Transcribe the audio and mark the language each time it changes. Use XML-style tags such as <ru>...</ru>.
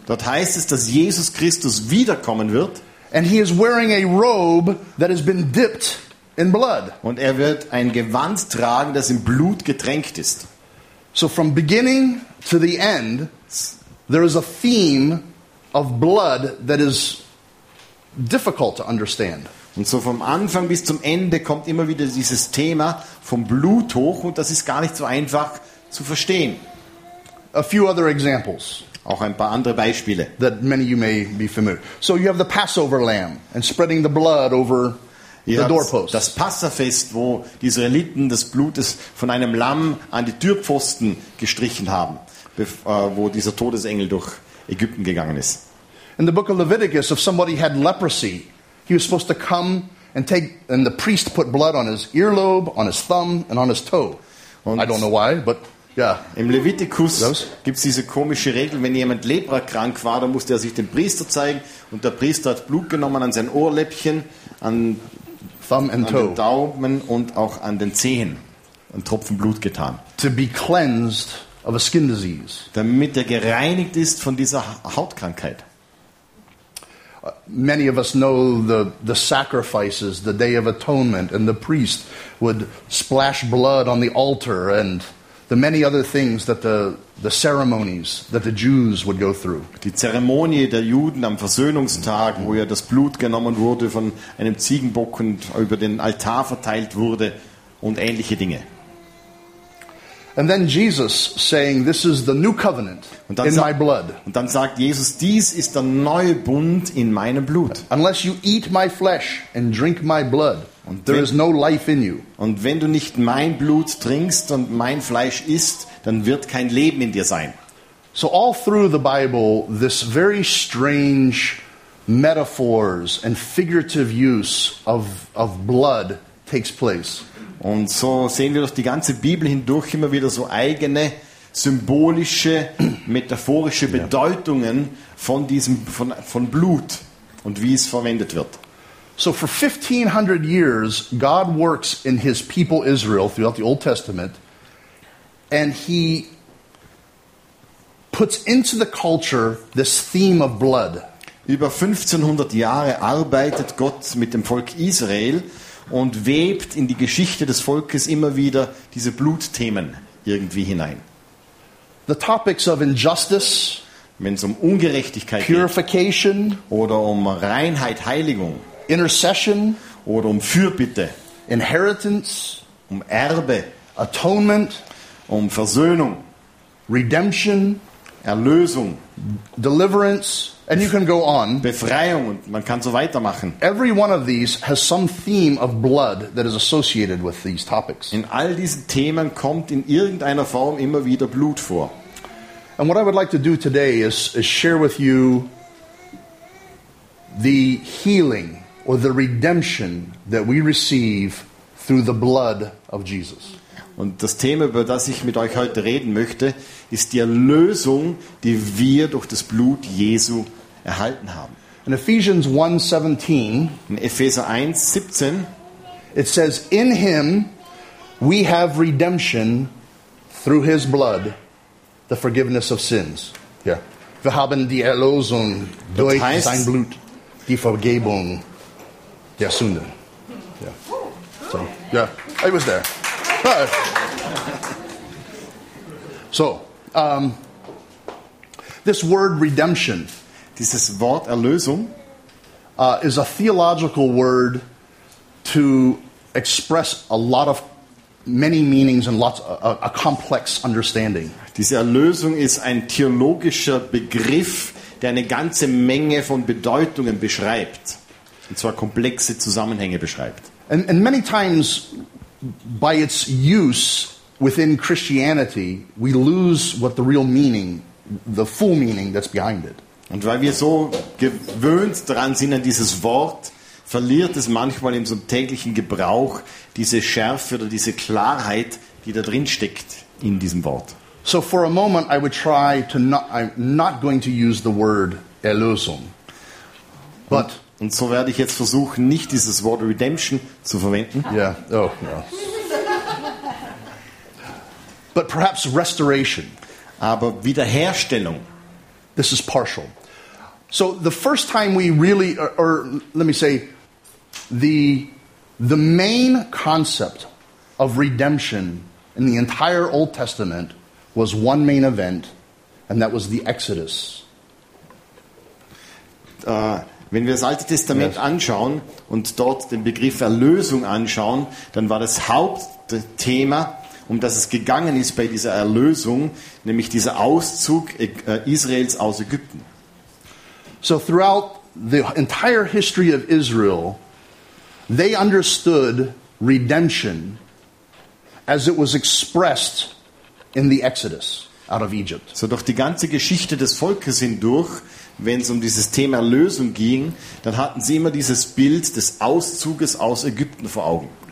<de>Dort heißt es, dass Jesus Christus wiederkommen wird.</de> <en>And he is wearing a robe that has been dipped in blood.</en> <de>Und er wird ein Gewand tragen, das im Blut getränkt ist.</de> <en>So from beginning to the end, there is a theme of blood that is difficult to understand.</en> <de>Und so vom Anfang bis zum Ende kommt immer wieder dieses Thema vom Blut hoch und das ist gar nicht so einfach zu verstehen.</de> <en>A few other examples.</en> <de>Auch ein paar andere Beispiele.</de> <en>That many you may be familiar. So you have the Passover lamb and spreading the blood over the doorpost.</en> <de>Das Passafest, wo die Israeliten das Blut von einem Lamm an die Türpfosten gestrichen haben, wo dieser Todesengel durch Ägypten gegangen ist.</de> <en>In the book of Leviticus, if somebody had leprosy, he was supposed to come and take, and the priest put blood on his earlobe, on his thumb, and on his toe.</en> <de>Und</de> <en>I don't know why, but yeah.</en> <de>Im Levitikus gibt es diese komische Regel, wenn jemand leprakrank war, dann musste er sich dem Priester zeigen, und der Priester hat Blut genommen an sein Ohrläppchen, an</de> <en>thumb and toe,</en> <de>an den Daumen und auch an den Zehen, einen Tropfen Blut getan.</de> <en>To be cleansed of a skin disease.</en> <de>Damit er gereinigt ist von dieser Hautkrankheit.</de> <en>Many of us know the sacrifices, the Day of Atonement, and the priest would splash blood on the altar and the many other things that the ceremonies that the Jews would go through.</en> <de>Die Zeremonie der Juden am Versöhnungstag, wo ja das Blut genommen wurde von einem Ziegenbock und über den Altar verteilt wurde und ähnliche Dinge.</de> <en>And then Jesus saying, "This is the new covenant in my blood."</en> <de>Und dann sagt Jesus, dies ist der neue Bund in meinem Blut.</de> <en>Unless you eat my flesh and drink my blood, there is no life in you.</en> <de>Und wenn du nicht mein Blut trinkst und mein Fleisch isst, dann wird kein Leben in dir sein.</de> <en>So all through the Bible, this very strange metaphors and figurative use of blood takes place.</en> <de>Und so sehen wir durch die ganze Bibel hindurch immer wieder so eigene symbolische, metaphorische Bedeutungen von diesem von Blut und wie es verwendet wird.</de> <en>So for 1500 years God works in his people Israel throughout the Old Testament and he puts into the culture this theme of blood.</en> <de>Über 1500 Jahre arbeitet Gott mit dem Volk Israel und webt in die Geschichte des Volkes immer wieder diese Blutthemen irgendwie hinein.</de> <en>The topics of injustice,</en> <de>wenn es um Ungerechtigkeit</de> <en>purification,</en> <de>geht, oder um Reinheit, Heiligung,</de> <en>intercession,</en> <de>oder um Fürbitte,</de> <en>inheritance,</en> <de>um Erbe,</de> <en>atonement,</en> <de>um Versöhnung,</de> <en>redemption,</en> <de>Erlösung,</de> <en>deliverance, and you can go on.</en> <de>Befreiung, man kann so weitermachen.</de> <en>Every one of these has some theme of blood that is associated with these topics.</en> <de>In all diesen Themen kommt in irgendeiner Form immer wieder Blut vor.</de> <en>And what I would like to do today is share with you the healing or the redemption that we receive through the blood of Jesus.</en> <de>Und das Thema, über das ich mit euch heute reden möchte, ist die Erlösung, die wir durch das Blut Jesu erhalten haben.</de> <en>In Ephesians 1:17,</en> <de>in Epheser 1:17,</de> <en>it says, "In him we have redemption through his blood, the forgiveness of sins." Yeah.</en> <de>Wir haben die Erlösung durch das heißt, sein Blut, die Vergebung der Sünden.</de> <en>Yeah. So, yeah, I was there. So, this word redemption,</en> <de>dieses Wort Erlösung,</de> <en>is a theological word to express a lot of many meanings and lots a complex understanding.</en> <de>Diese Erlösung ist ein theologischer Begriff, der eine ganze Menge von Bedeutungen beschreibt, und zwar komplexe Zusammenhänge beschreibt.</de> <en>And many times by its use within Christianity, we lose what the real meaning, the full meaning that's behind it.</en> <de>Und weil wir so gewöhnt dran sind an dieses Wort, verliert es manchmal in so einem täglichen Gebrauch diese Schärfe oder diese Klarheit, die da drin steckt in diesem Wort.</de> <en>So for a moment, I would try to not, I'm not going to use the word Erlösung. But</en> <de>und so werde ich jetzt versuchen, nicht dieses Wort Redemption zu verwenden.</de> <en>Yeah. Oh, no. But perhaps restoration.</en> <de>Aber Wiederherstellung.</de> <en>This is partial. So the first time we really, or let me say, the main concept of redemption in the entire Old Testament was one main event, and that was the Exodus.</en> <de>Wenn wir das Alte Testament anschauen und dort den Begriff Erlösung anschauen, dann war das Hauptthema, um das es gegangen ist bei dieser Erlösung, nämlich dieser Auszug Israels aus Ägypten.</de> <en>So throughout the entire history of Israel, they understood redemption as it was expressed in the Exodus out of Egypt.</en> <de>So durch die ganze Geschichte des Volkes hindurch, wenn es um dieses Thema Erlösung ging, dann hatten sie immer dieses Bild des Auszuges aus Ägypten vor Augen.</de>